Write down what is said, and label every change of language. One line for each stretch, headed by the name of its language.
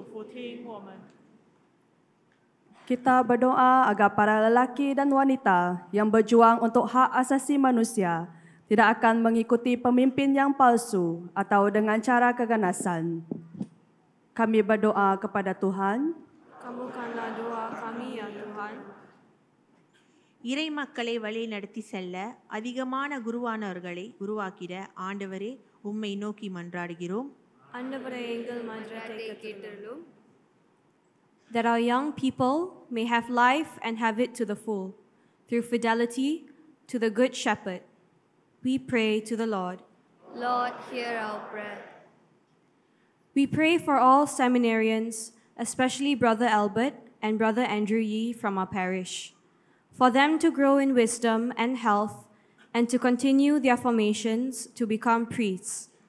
Chinese: 主，求你使至圣之功的天主教会能服务那些行走在黑暗中的人，以延续复活基督的胜利。我们同声祈祷，求主俯听我们。
Malay: Kita berdoa agar para lelaki dan wanita yang berjuang untuk hak asasi manusia tidak akan mengikuti pemimpin yang palsu atau dengan cara keganasan. Kami berdoa kepada Tuhan. Kabulkanlah doa kami ya Tuhan.
Tamil: இறை மக்களை வழி நடத்தி செல்ல அதிகமான குருவானவர்களை உருவாக்கிட ஆண்டவரே உம்மை நோக்கி மன்றாடுகிறோம். ஆண்டவரே எங்கள் மன்றாட்டை கேட்டுள்ளோம்.
English: That our young people may have life and have it to the full through fidelity to the good shepherd. We pray to the Lord. Lord, hear our prayer. We pray for all seminarians, especially Brother Albert and Brother Andrew Yi from our parish, for them to grow in wisdom and health and to continue their formations to become priests.